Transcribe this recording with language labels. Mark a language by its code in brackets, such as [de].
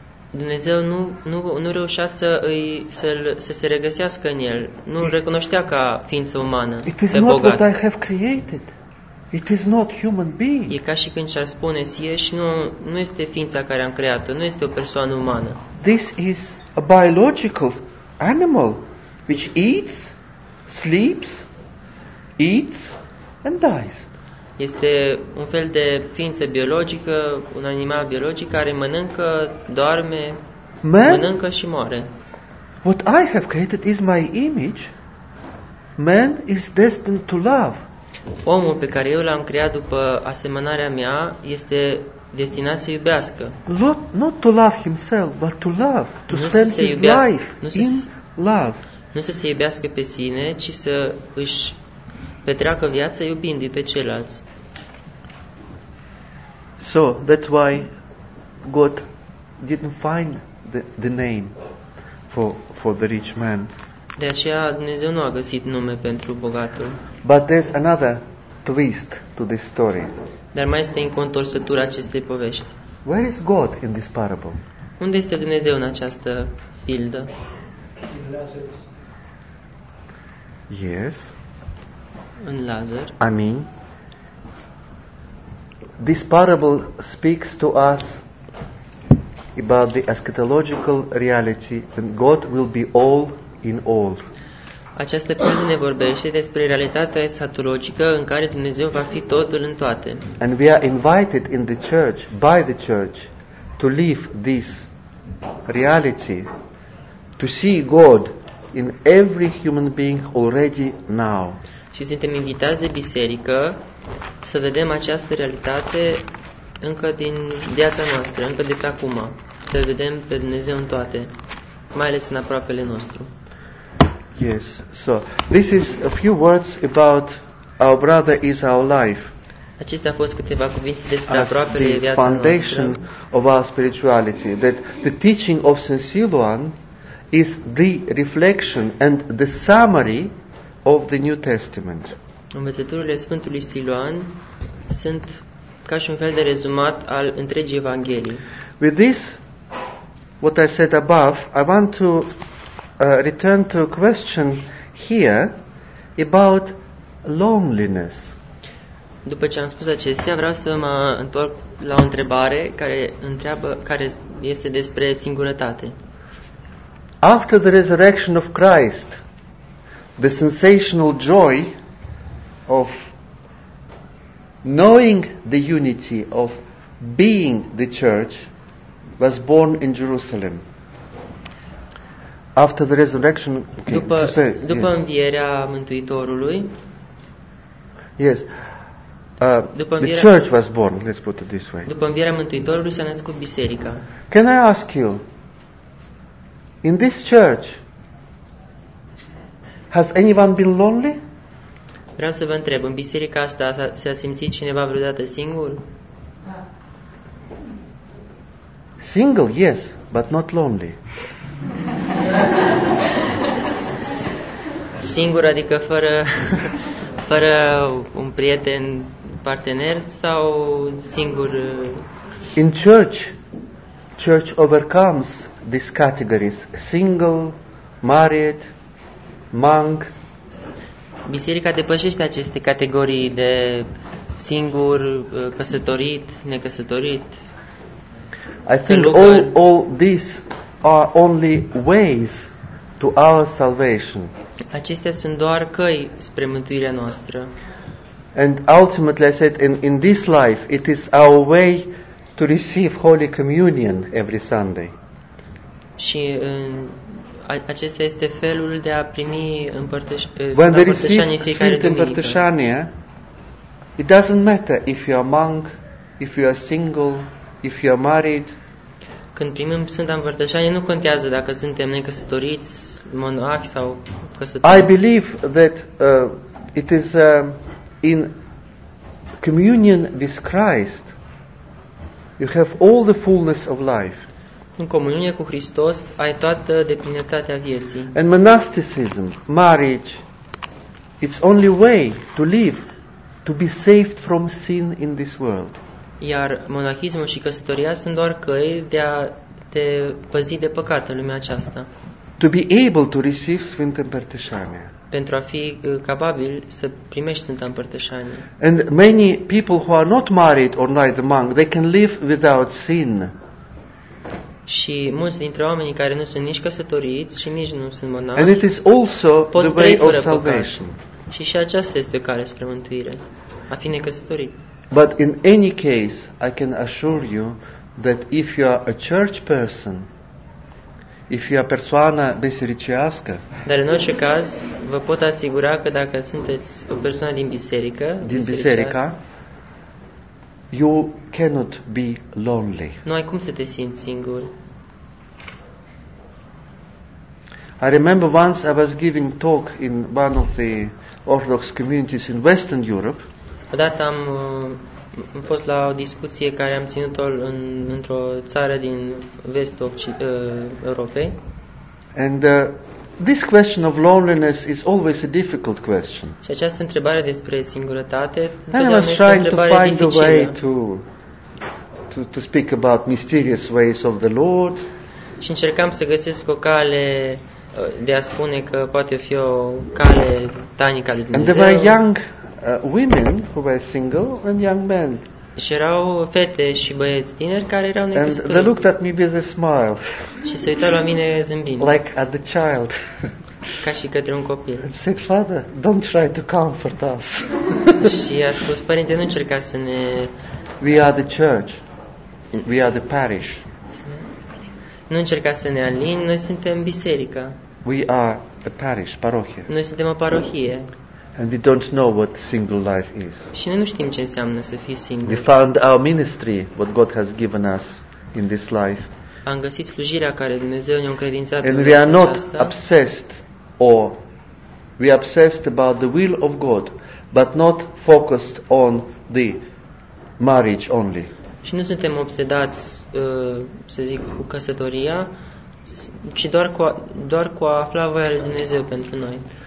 [ro] Dumnezeu nu reușea să se regăsească în el. Nu îl recunoștea ca ființă umană. [en] It is not what I have created. It is not human being. [ro] E ca și când și-ar spune, ești, nu este ființa care am creat-o, nu este o persoană umană. [en] This is a biological animal which eats, sleeps, eats and dies. [ro] Este un fel de ființă biologică, un animal biologic care mănâncă, doarme, mănâncă și moare. [en] What I have created is my image. Man is destined to love. [ro] Omul pe care eu l-am creat după asemănarea mea este destinat să iubească. [en] Not to love himself, but to love, to spend his life in love. [ro] Nu să se iubească pe sine, ci să își petreacă viața iubindu-i pe ceilalți. [en] So that's why God didn't find the name for the rich man. [ro] De aceea Dumnezeu nu a găsit nume pentru bogatul. [en] But there's another twist to this story. [ro] Dar mai este încă o întorsătură acestei povești. [en] Where is God in this parable? [ro] Unde este Dumnezeu în această pildă? [en] Yes. [ro] În Lazar. [en] I mean, this parable speaks to us about the eschatological reality, and God will be all in all. [ro] Această pildă ne vorbește despre realitatea eschatologică în care Dumnezeu va fi totul în toate. [en] And we are invited in the church, by the church, to live this reality, to see God in every human being already now. [ro] Și suntem invitați de biserică să vedem această realitate încă din viața noastră, încă de pe acum, să vedem pe Dumnezeu în toate, mai ales în aproapele nostru. [en] Yes, so this is a few words about our brother is our life. [ro] Acestea au fost câteva cuvinte despre aproapele viața noastră. [en] Foundation of our spirituality, that the teaching of St. Siluan is the reflection and the summary of the New Testament. [ro] Învățăturile Sfântului Siluan sunt ca și un fel de rezumat al întregii Evanghelii. [en] With this, what I said above, I want to return to a question here about loneliness. [ro] După ce am spus acestea, vreau să mă întorc la o întrebare care este despre singurătate. [en] After the resurrection of Christ, the sensational joy of knowing the unity of being the church was born in Jerusalem. After the resurrection, okay, [ro] după [en] yes. [ro] Învierea Mântuitorului. [en] Yes. [ro] După învierea, [en] the church was born, let's put it this way. [ro] După învierea Mântuitorului s-a născut biserica. [en] Can I ask you, in this church, has anyone been lonely? [ro] Vreau să vă întreb, în biserica asta s-a simțit cineva vreodată singur? [en] Single, yes, but not lonely. [ro] Singur, adică fără un prieten, partener sau singur? [en] In church overcomes these categories, single, married, monk. [ro] Biserica depășește aceste categorii de singur, căsătorit, necăsătorit. [en] I think all these are only ways to our salvation. [ro] Acestea sunt doar căi spre mântuirea noastră. [en] And ultimately, I said, in this life, it is our way to receive Holy Communion every Sunday. [ro] Și acesta este felul de a primi împărtășanie. [en] When we receive Sfânt împărtășanie, it doesn't matter if you are monk, if you are single, if you are married. [ro] Când primim Sfânta împărtășanie, nu contează dacă suntem necăsătoriți, monahi sau căsătoriți. [en] I believe that it is in communion with Christ you have all the fullness of life. [ro] În comuniune cu Hristos ai toată deplinătatea vieții. [en] And monasticism, marriage, its only way to live, to be saved from sin in this world. [ro] Iar monahismul și căsătoria sunt doar căi de a te păzi de păcat în lumea aceasta. [en] To be able to receive Sfânta Împărtășanie. [ro] Pentru a fi capabil să primești Sfânta Împărtășanie. [en] And many people who are not married or neither monk, they can live without sin. [ro] Și mulți dintre oamenii care nu sunt nici căsătoriți și nici nu sunt monahi. [en] And it is also the way of salvation. [ro] Și aceasta este o cale spre mântuire, a fi necăsătorit. [en] But in any case, I can assure you that if you are a church person, if you are [ro] persoana bisericească, dar în orice caz, vă pot asigura că dacă sunteți o persoană din biserică, din biserica, [en] you cannot be lonely. [ro] Nu ai cum să te simți singur. [en] I remember once I was giving talk in one of the Orthodox communities in Western Europe. [ro] Odată am fost la o discuție care am ținut-o într-o țară din vestul Europei. [en] And this question of loneliness is always a difficult question. [ro] Și această întrebare despre singurătate, [en] I was trying to find a way to speak about mysterious ways of the Lord. [ro] Și încercam să găsesc o cale de a spune că poate fi o cale tainică a lui Dumnezeu. [en] And there were young women who were single and young men. [ro] Și erau fete și băieți tineri care erau necăsătoriți. [en] And they looked at me with a smile. [ro] Și se uitau la mine zâmbind. [en] Like at the child. [ro] Ca și către un copil. [en] And said, "Father, don't try to comfort us." [ro] Și a spus, părinte, nu încerca să ne... [en] We are the church. We are the parish. [ro] Nu încerca să ne alin, noi suntem biserica. [en] We are a parish, parohie. [ro] Noi suntem o parohie. [en] And we don't know what single life is. [ro] Și noi nu știm ce înseamnă să fii singur. [en] We found our ministry, what God has given us in this life. [ro] Am găsit slujirea care Dumnezeu ne-a încredințat. [en] And we are not obsessed, or we are obsessed about the will of God, but not focused on the marriage only. [ro] Și nu suntem obsedați, să zic, cu căsătoria, ci doar cu a afla voia lui Dumnezeu pentru noi.